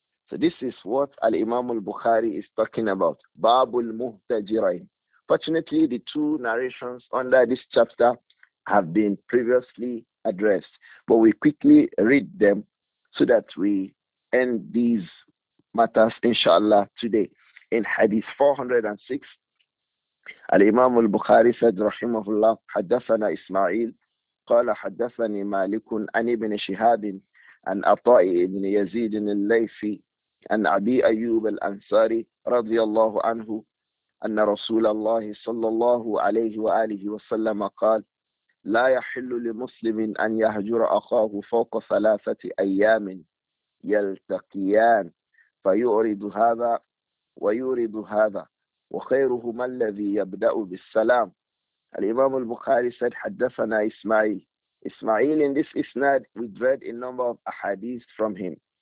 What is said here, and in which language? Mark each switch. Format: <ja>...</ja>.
<en>So this is what Al-Imam al-Bukhari is talking about. Babul muhtajirain. Fortunately, the two narrations under this chapter have been previously addressed, but we quickly read them so that we end these matters, inshallah, today. In Hadith 406, Al-Imam al-Bukhari said, Rahimahullah,</en> <ar>Haddathana Ismail, Qala Haddathani Malikun, An Ibn Shihabin, An Atai Ibn Yazidin al-Layfi, An Abi Ayyub al-Ansari, Radiyallahu Anhu, أن رسول الله صلى الله عليه وآله وسلم قال لا يحل لمسلم أن يهجر أخاه فوق ثلاثة أيام يلتقيان فيورد هذا ويورد هذا وخيرهما الذي يبدأ بالسلام. الإمام البخاري</ar> <en>said</en> <ar>حدثنا إسماعيل.</ar> <en>إسماعيل in this isnad we read a number of ahadith from him.</en>